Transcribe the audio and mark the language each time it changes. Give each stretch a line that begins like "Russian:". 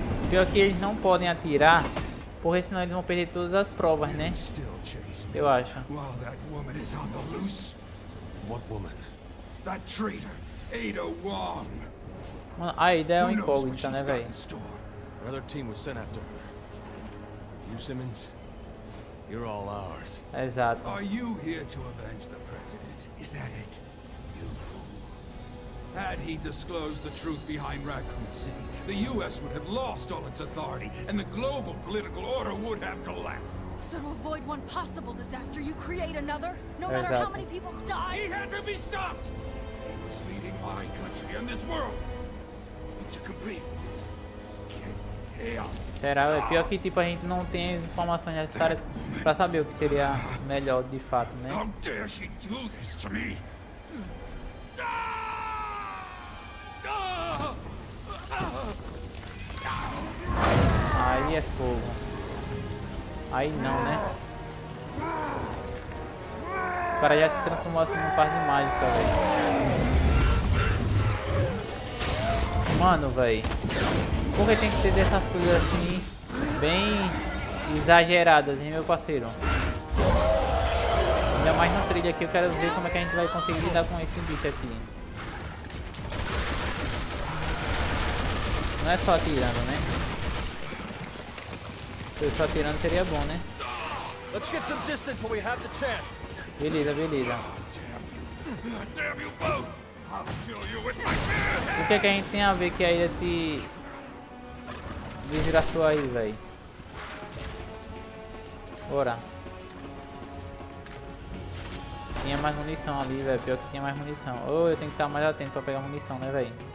Portuguese: Pior que eles não podem atirar, porque senão eles vão perder todas as provas, né? Eu acho.
English: What woman? That traitor, Ada Wong.
Portuguese: Mano, a Ada é um incógnita, né, velho?
English: Another team was sent after her. You, Simmons, you're all ours.
Portuguese: Exato.
English: Are you here to avenge the president? Is that it? You fool. Had he disclosed the truth behind Raccoon City, the U.S. would have lost all its authority, and the global political order would have collapsed. So to avoid one possible disaster, you create another? No matter how many people die? He had to be stopped! He was leading my country and this world into complete chaos.
Portuguese: Será? É pior que tipo a gente não tem informações necessárias pra saber o que seria melhor de fato, né?
English: How dare she do this to me?
Portuguese: Aí é fogo. Aí não, né? O cara já se transformou assim num par de mágica, velho. Mano, velho. Por que tem que ter essas coisas assim, bem exageradas, hein, meu parceiro? Ainda mais no trilho aqui, eu quero ver como é que a gente vai conseguir lidar com esse bicho aqui. Não é só atirando, né? Se eu só atirando seria bom, né?
English: Let's get some distance when we have the chance.
Portuguese: Beleza, beleza. O que é que a gente tem a ver que a ilha te desgraçou aí, véi? Bora. Tinha mais munição ali, velho. Pior que tinha mais munição. Ou eu tenho que estar mais atento pra pegar munição, né, véi?